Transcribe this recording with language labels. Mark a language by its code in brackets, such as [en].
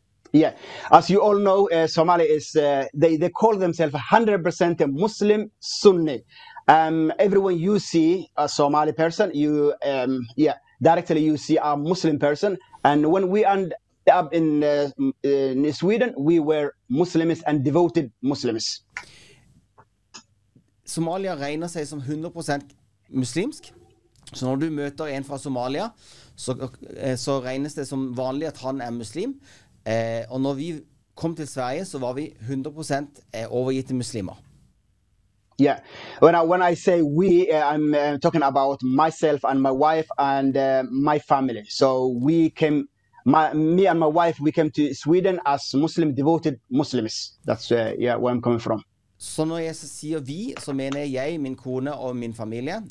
[en] Yeah, as you all know, Somali is, they call themselves 100% Muslim Sunni. Everyone you see, a Somali person, you, yeah, directly you see a Muslim person. And when we ended up in Sweden, we were Muslims and devoted Muslims. [no] Somalia regner seg som 100% muslimsk. Så når du møter en fra Somalia, så regnes det som vanlig at han er muslim. Og når vi kom til Sverige, så var vi 100% overgitte muslimer. [en] Yeah, when I say we, I'm talking about myself and my wife and my family. So we came, me and my wife, we came to Sweden as Muslim, devoted Muslims. That's where I'm coming from. [no] Så når jeg sier vi, så mener jeg jeg, min kone og min familie.